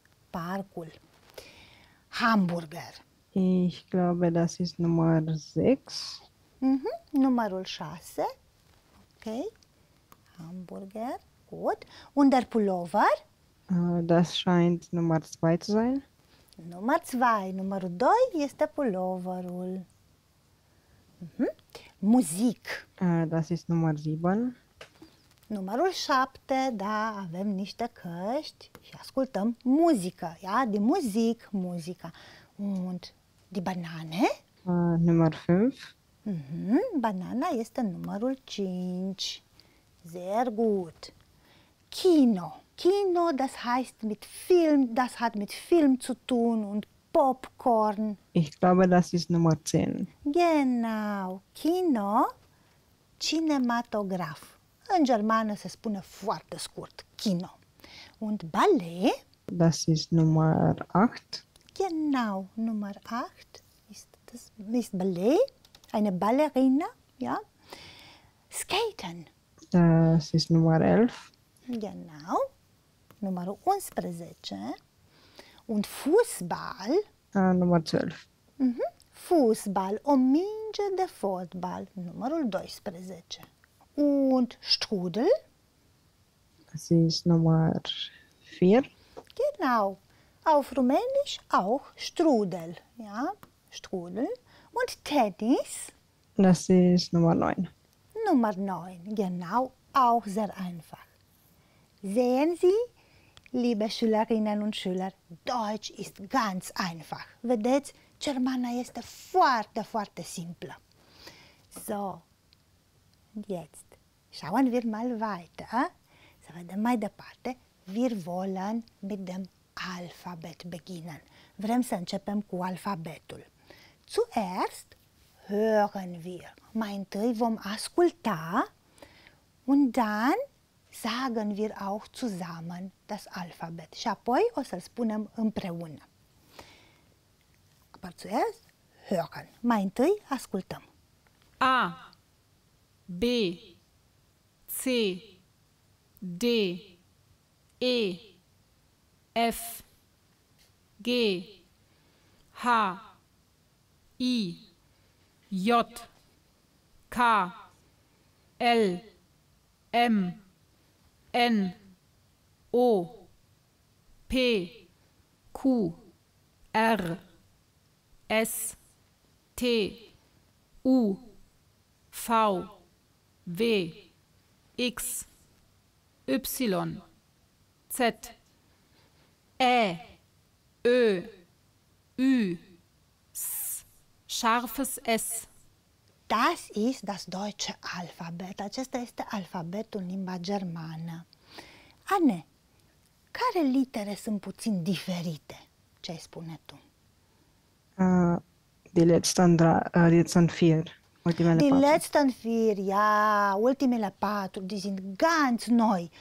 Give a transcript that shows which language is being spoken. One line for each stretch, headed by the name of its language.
Romanian: Parcul. Hamburger.
German: Ich glaube, das ist Nummer 6.
Romanian: Numărul 6.
German: Ok. Hamburger. Gut. Und der Pullover? Das scheint Nummer 2 zu sein. Nummer 2.
Romanian: Numărul 2 este pulloverul. Muzic.
German: Das ist Nummer 7.
Romanian: Numărul 7, da, avem niște căști și ascultăm muzică, ia, de muzic, muzica.
German: Und die Banane? Numărul 5.
Romanian: Banana este numărul 5.
German: Sehr gut.
Romanian: Kino.
German: Kino, das heißt mit Film, das hat mit Film zu tun und Popcorn. Ich glaube, das ist Nummer 10. Genau. Kino, cinematograf.
Romanian: În germană se spune foarte scurt, kino.
German: Und ballet? Das ist Nummer 8. Genau, Nummer 8 ist ballet, eine Ballerina, ja. Skaten? Das ist Nummer 11. Genau, Nummer 11. Und Fußball? Nummer 12.
Romanian: Fußball, o minge de fotbal, numărul 12.
German: Und Strudel? Das ist Nummer 4. Genau. Auf Rumänisch auch Strudel. Ja, Strudel. Und Tennis? Das ist Nummer 9. Nummer 9. Genau. Auch sehr einfach. Sehen Sie, liebe Schülerinnen und Schüler, Deutsch ist ganz einfach.
Romanian: Vedeți? Germana este foarte, foarte simplă.
German: So. Jetzt. Schauen wir mal weiter.
Romanian: Să vedem mai departe.
German: Wir wollen mit dem Alphabet beginnen.
Romanian: Vrem să începem cu alfabetul.
German: Zuerst hören wir.
Romanian: Mai întâi vom asculta
German: und dann sagen wir auch zusammen das Alphabet.
Romanian: Și apoi o să-l spunem împreună.
German: Aber zuerst hören.
Romanian: Mai întâi ascultăm.
German: A. B. C, D, E, F, G, H, I, J, K, L, M, N, O, P, Q, R, S, T, U, V, W, X, Y, Z, Ä, Ö, Ü, S, scharfes S. Das ist das deutsche Alphabet.
Romanian: Acesta este alfabetul în limba germană. Anne, care litere sunt puțin diferite? Ce ai spune tu?
German: Die letzten vier,
Romanian: ultimele
German: die
Romanian: patru.
German: Die letzten vier, ja,
Romanian: ultimele patru,
German: die sind ganz neu.